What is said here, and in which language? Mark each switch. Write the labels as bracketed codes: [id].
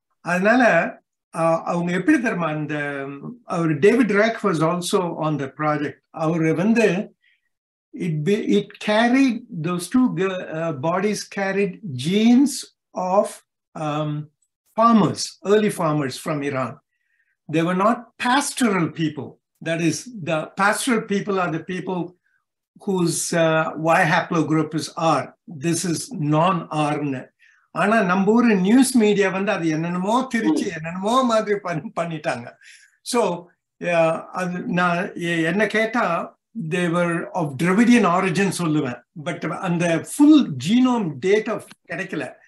[ta] அதனால அவங்க எப்படி தெரியுமா, அந்த அவர் [en] David Reich was also on the project, [ta] அவர் வந்து [en] It carry those two bodies carried genes of farmers, early farmers from Iran. They were not pastoral people. That is, the pastoral people are the people whose Y haplogroup is R. This is non-R. [ta] ஆனா நம்ம ஊரு news media வந்து அது என்னென்னமோ திருச்சி என்னென்னமோ மாதிரி பண்ணிட்டாங்க. So அது நான் என்ன கேட்டா [en] Thevar of Dravidian origin [ta] சொல்லுவேன், பட் அந்த ஃபுல் ஜீனோம் டேட்டா கிடைக்கல.